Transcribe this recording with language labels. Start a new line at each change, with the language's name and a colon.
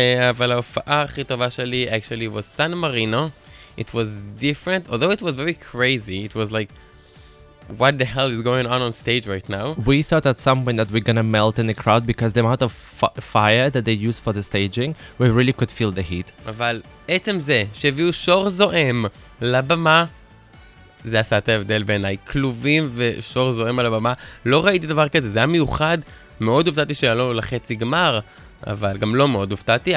Hebrew: אבל ההופעה הכי טובה שלי
English: actually was
Hebrew: San Marino.
English: It was different, although it was very crazy. It was like, what the hell is going on stage right now? We thought at some point that we're gonna melt in the crowd because the amount of fire that they used for the staging, we really could feel the heat.
Hebrew: אבל עצם זה שהביאו שור זועם לבמה, זה עשה את ההבדל בעיניי. כלובים ושור זועם על הבמה, לא ראיתי דבר כזה, זה היה מיוחד. מאוד הופתעתי שלא לחצי גמר, אבל גם לא מאוד הופתעתי.